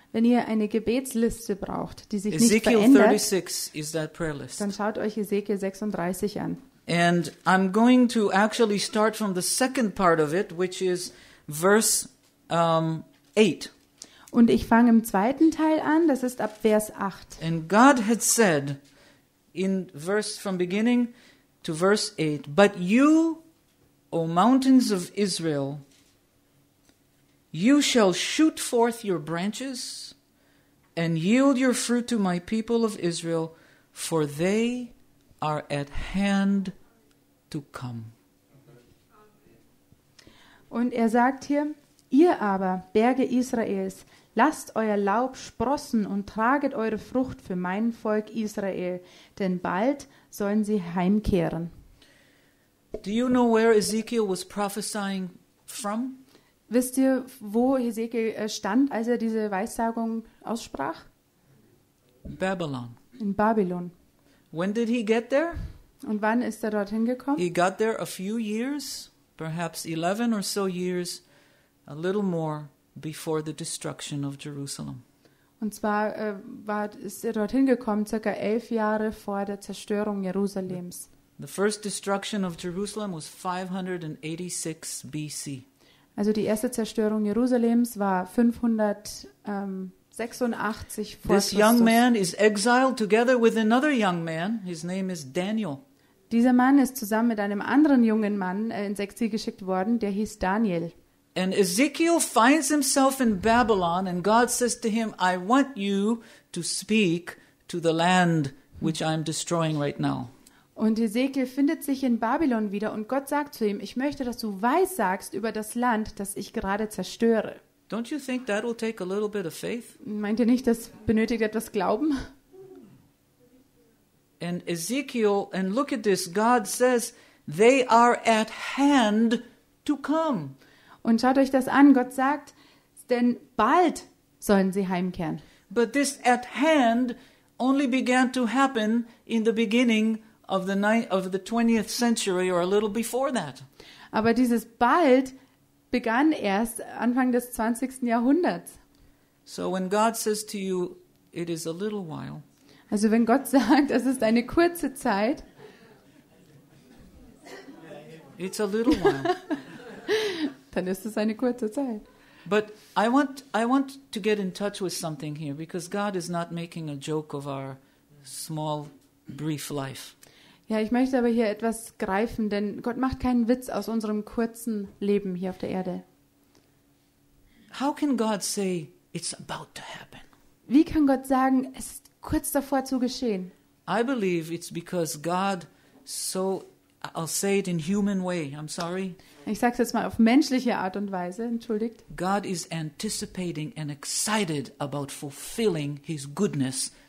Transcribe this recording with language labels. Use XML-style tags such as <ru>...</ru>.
<de>Wenn ihr eine Gebetsliste braucht, die sich</de> <en>Ezekiel</en> <de>nicht verändert,</de> <en>36 is that prayer list.</en> <de>Dann schaut euch Ezekiel 36 an.</de> <en>And I'm going to actually start from the second part of it, which is verse 8.</en> <de>Und ich fange im zweiten Teil an, das ist ab Vers 8.</de> <en>And God had said in verse from beginning to verse 8, but you, O mountains of Israel, you shall shoot forth your branches and yield your fruit to my people of Israel, for they are at hand to come.</en> <de>Und er sagt hier, ihr aber, Berge Israels, lasst euer Laub sprossen und traget eure Frucht für mein Volk Israel, denn bald sollen sie heimkehren.</de> <en>Do you know where Ezekiel was prophesying from?</en> <de>Wisst ihr, wo Ezekiel stand, als er diese Weissagung aussprach?</de> <en>Babylon.</en> <de>In Babylon.</de> <en>When did he get there?</en> <de>Und wann ist er dorthin gekommen?</de> <en>He got there a few years, perhaps 11 or so years, a little more before the destruction of Jerusalem.</en> <de>Und zwar ist er dorthin gekommen, circa 11 Jahre vor der Zerstörung Jerusalems.</de> <en>The first destruction of Jerusalem was 586 BC.</en> <de>Also die erste Zerstörung Jerusalems war 586 vor Christus.</de> <en>This young man is exiled together with another young man. His name is Daniel.</en> <de>Dieser Mann ist zusammen mit einem anderen jungen Mann ins Exil geschickt worden, der hieß Daniel.</de> <en>And Ezekiel finds himself in Babylon and God says to him, I want you to speak to the land which I'm destroying right now.</en> <de>Und Ezekiel findet sich in Babylon wieder und Gott sagt zu ihm, ich möchte, dass du weissagst über das Land, das ich gerade zerstöre.</de> <en>Don't you think that will take a little bit of faith?</en> <de>Meint ihr nicht, das benötigt etwas Glauben?</de> <en>And Ezekiel, and look at this, God says, they are at hand to come.</en> <de>Und schaut euch das an, Gott sagt, denn bald sollen sie heimkehren.</de> <en>But this at hand only began to happen in the beginning of the 20th century or a little before that.</en> <de>Aber dieses bald begann erst Anfang des 20. Jahrhunderts.</de> <en>So when God says to you it is a little while.</en> <de>Also wenn Gott sagt, es ist eine kurze Zeit.</de> <en>It's a little while.</en> <de>Dann ist es eine kurze Zeit.</de> <en>But I want to get in touch with something here because God is not making a joke of our small brief life.</en> <de>Ja, ich möchte aber hier etwas greifen, denn Gott macht keinen Witz aus unserem kurzen Leben hier auf der Erde.</de> <en>How can God say it's about to happen?</en> <de>Wie kann Gott sagen, es ist kurz davor zu geschehen?</de> <en>I believe it's because God so I'll say it in human way. I'm sorry.</en> <de>Ich sag's jetzt mal auf menschliche Art und Weise, entschuldigt.</de> <en>God is anticipating and excited about fulfilling his goodness.</en>